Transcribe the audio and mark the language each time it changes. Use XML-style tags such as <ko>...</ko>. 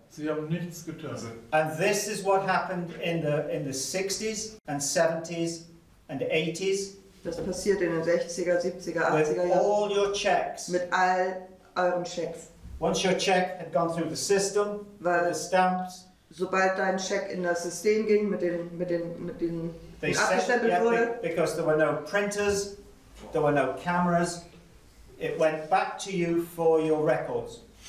<de>Sie haben nichts getan.</de> <en>And this is what happened in the 60s and 70s and 80s.</en> <de>Das passiert in den 60er, 70er, 80er Jahren.</de> <en>With all your checks.</en> <de>Mit all euren Checks.</de> <en>Once your check had gone through the system, the stamps.</en> <de>Sobald dein Check in das System ging, mit den</de> <en>they</en> <de>abgestempelt</de> <en>said,</en> <de>wurde.</de> <en>Because there were no printers, there were no cameras. It went back to you for your records.</en>